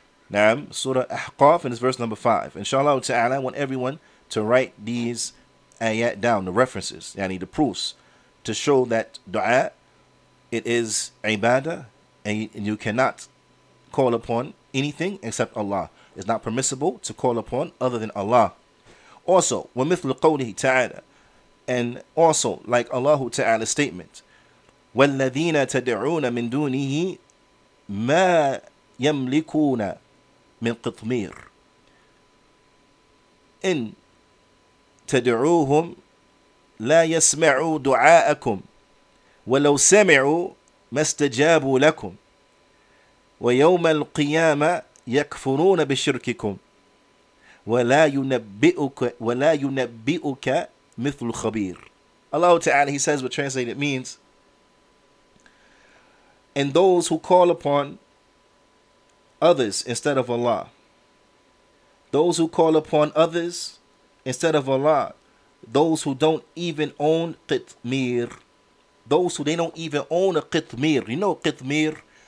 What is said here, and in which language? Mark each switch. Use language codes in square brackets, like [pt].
[en] Naam, Surah Ahqaf, and it's verse number 5. Inshallah ta'ala, I want everyone to write these ayat down, the references, yani the proofs, to show that dua, it is ibadah, and you cannot call upon anything except Allah. It's not permissible to call upon other than Allah. Also, wa mithlu qawlihi ta'ala, and also, like Allahu ta'ala's statement, [ar] وَالَّذِينَ تَدْعُونَ مِن دُونِهِ مَا يَمْلِكُونَ من قطمير إن تدعوهم لا يسمعوا دعاءكم ولو سمعوا ما استجابوا لكم ويوم القيامة يكفرون بشرككم ولا ينبئك مثل خبير. [en] Allah Ta'ala, he says, what translated means, and those who call upon others instead of Allah. Those who call upon others instead of Allah. Those who don't even own qitmir. Those who they don't even own a qitmir. You know qitmir?